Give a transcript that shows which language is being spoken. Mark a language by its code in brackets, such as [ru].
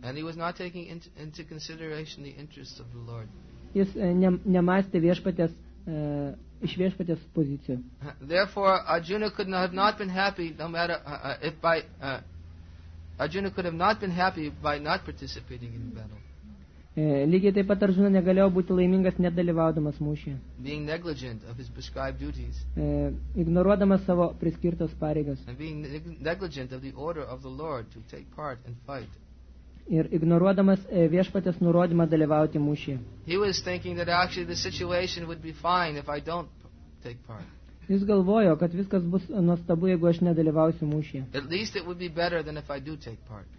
[en] And he was not taking into consideration the interests of the Lord. [lt] Jis nemąstė Viešpatės iš Viešpatės pozicijų. [en] Therefore, Arjuna could not have not been happy no matter if by Arjuna could have not been happy by not participating in the battle. [lt] Lygiai taip pat Arjuna negalėjo būti laimingas nedalyvaudamas mūšyje. [en] Being negligent of his prescribed duties. [lt] Ignoruodamas savo priskirtas pareigas. [en] And being negligent of the order of the Lord to take part and fight. [lt] Ir ignoruodamas Viešpatės nurodymą dalyvauti mūšyje. [en] He was thinking that actually the situation would be fine if I don't take part. [lt] Jis galvojo, kad viskas bus nuostabu, jeigu aš nedalyvausiu mūšyje. [en] At least it would be better than if I do take part.